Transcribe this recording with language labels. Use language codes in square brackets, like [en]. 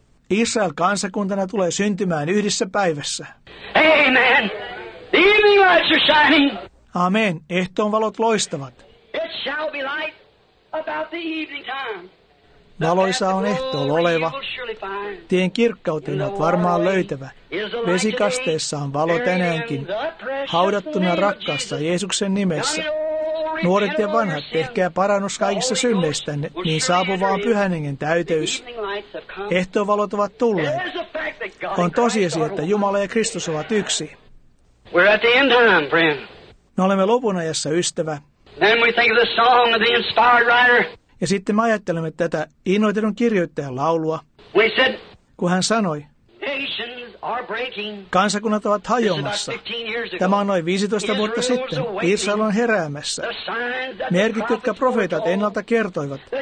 [fi] Israel kansakuntana tulee syntymään yhdessä päivässä. Amen. [en] The evening lights are shining. [fi] Amen. Ehtoon valot loistavat. [en] It shall be light about the evening time. [fi] Valoisa on ehtoolla oleva. Tien kirkkauteen on varmaan löytävä. Vesikasteessa on valo tänäänkin. Haudattuna rakkaassa Jeesuksen nimessä. Nuoret ja vanhat, tehkää parannus kaikissa synneistänne, niin saapuvaan Pyhän Hengen täyteys. Ehtoon valot ovat tulleet. On tosiasia, että Jumala ja Kristus ovat yksi. [en] We're at the end time, friend. [fi] Me olemme lopun ajassa, ystävä. [en] Then we think of the song of the inspired writer. [fi] Ja sitten me ajattelemme tätä innoitetun kirjoittajan laulua. [en] We said, [fi] kun hän sanoi, [en] nations are breaking. [fi] Kansakunnat ovat hajoamassa. Tämä on noin 15 vuotta sitten. Israel on heräämässä. Merkit, jotka profeetat ennalta kertoivat.